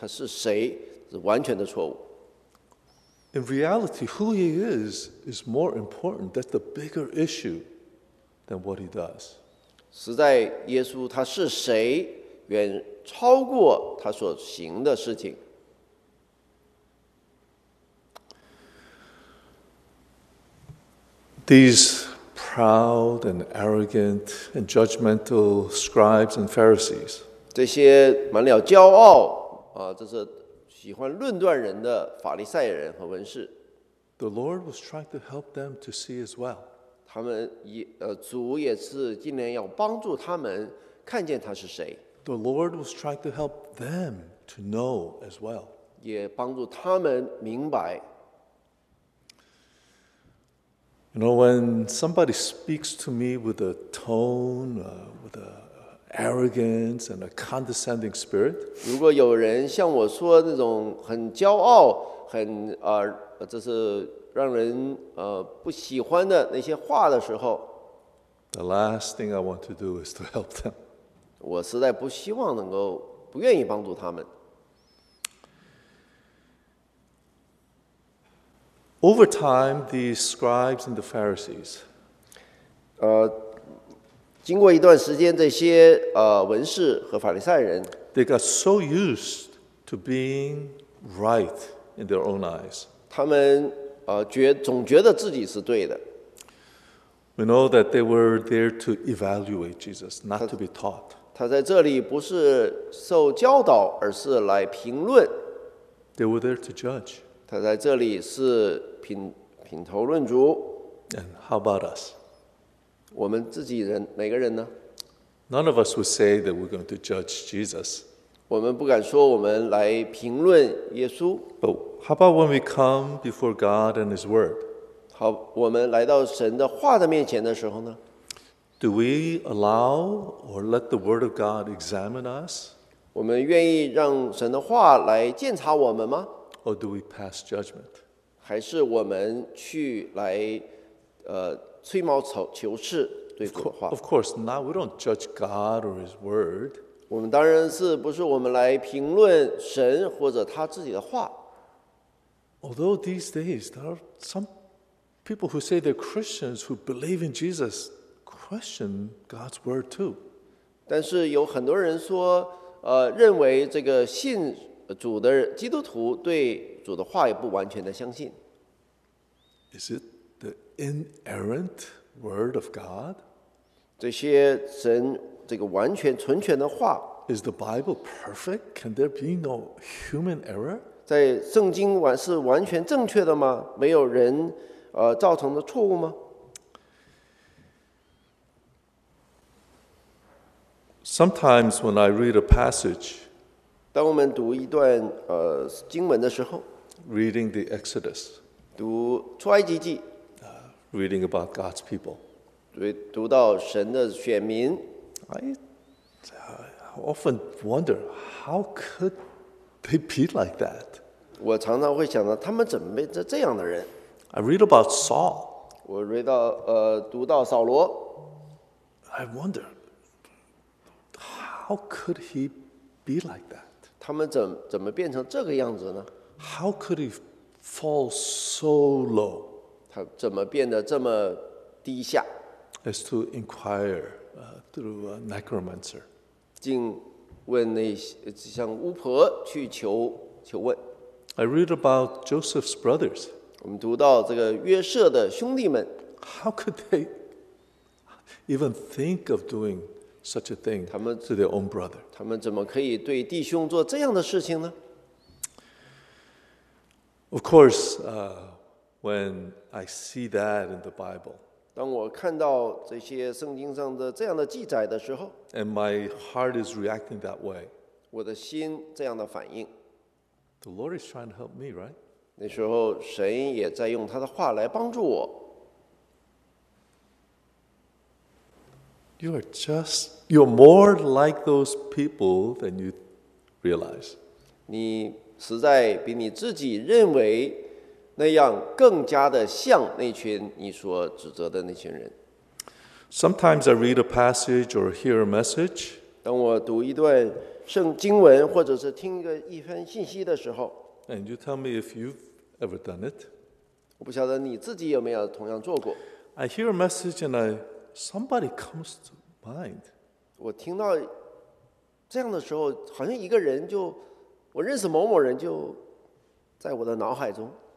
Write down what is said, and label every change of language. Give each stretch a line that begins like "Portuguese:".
Chinese: 他完全不认识耶稣他是谁，是完全的错误。
English: In reality, who he is more important. That's the bigger issue than what he does.
Chinese: 实在耶稣他是谁，远超过他所行的事情。
English: These proud and arrogant and judgmental scribes and Pharisees.
Chinese: 这些满了骄傲啊，这是喜欢论断人的法利赛人和文士。
English: The Lord was trying to help them to see as well.
Chinese: 他们也主也是今年要帮助他们看见他是谁。
English: The Lord was trying to help them to know as well.
Chinese: 也帮助他们明白。
English: You know, when somebody speaks to me with a tone, with a arrogance and a condescending spirit,
Chinese: 如果有人像我说那种很骄傲、很这是让人不喜欢的那些话的时候，
English: the last thing I want to do is to help them.
Chinese: 我实在不希望能够不愿意帮助他们。
English: Over time, these scribes and the Pharisees,
Chinese: 经过一段时间，这些文士和法利赛人
English: ，they got so used to being right in their own eyes.
Chinese: 他们总觉得自己是对的。
English: We know that they were there to evaluate Jesus, not to be taught.
Chinese: 他在这里不是受教导，而是来评论。
English: They were there to judge.
Chinese: 他在这里是品头论足。
English: And how about us?
Chinese: 我们自己人每个人呢？
English: None of us would say that we're going to judge Jesus.
Chinese: 我们不敢说我们来评论耶稣。
English: But how about when we come before God and His Word?
Chinese: 好，我们来到神的话的面前的时候呢？
English: Do we allow or let the Word of God examine us?
Chinese: 我们愿意让神的话来鉴察我们吗？
English: Or do we pass judgment?
Chinese: 还是我们去来吹毛求疵对主的话。
English: Of course not. We don't judge God or His Word.
Chinese: 我们当然是不是我们来评论神或者他自己的话。
English: Although these days there are some people who say they're Christians who believe in Jesus question God's Word too.
Chinese: 但是有很多人说，认为这个信主的基督徒对主的话也不完全的相信。
English: Is it? The inerrant word of God?
Chinese: 这些神这个完全纯全的话
English: Is the Bible perfect? Can there be no human error?
Chinese: 在圣经是完全正确的吗？没有人造成的错误吗？
English: Sometimes when I read a passage,
Chinese: 当我们读一段经文的时候
English: Reading the Exodus,
Chinese: 读出埃及记
English: Reading about God's people.
Chinese: 读到神的选民。
English: I often wonder, how could they be like that?
Chinese: 我常常会想到他们怎么变成这样的人。
English: I read about Saul.
Chinese: 我读到扫罗。
English: I wonder, how could he be like that?
Chinese: 他们怎么变成这个样子呢？
English: How could he fall so low?
Chinese: 他怎么变得这么低下
English: ？As to inquire through a necromancer，
Chinese: 竟问那些像巫婆去求问。
English: I read about Joseph's brothers。
Chinese: 我们读到这个约瑟的兄弟们。
English: How could they even think of doing such a thing to their own brother？
Chinese: 他们怎么可以对弟兄做这样的事情呢
English: ？Of course, when I see that in the Bible,
Chinese: 当我看到这些圣经上的这样的记载的时候
English: ，and my heart is reacting that way,
Chinese: 我的心这样的反应
English: ，the Lord is trying to help me, right?
Chinese: 那时候神也在用他的话来帮助我。
English: You're more like those people than you realize.
Chinese: 你实在比你自己认为。那样更加的像那群你所指责的那群人。
English: Sometimes I read a passage or hear a message.
Chinese: 当我读一段圣经文或者是听一篇信息的时候。
English: And you tell me if you've ever done it.
Chinese: 我不晓得你自己有没有同样做过。
English: I hear a message and somebody comes to mind.
Chinese: 我听到这样的时候，好像一个人就我认识某某人就在我的脑海中。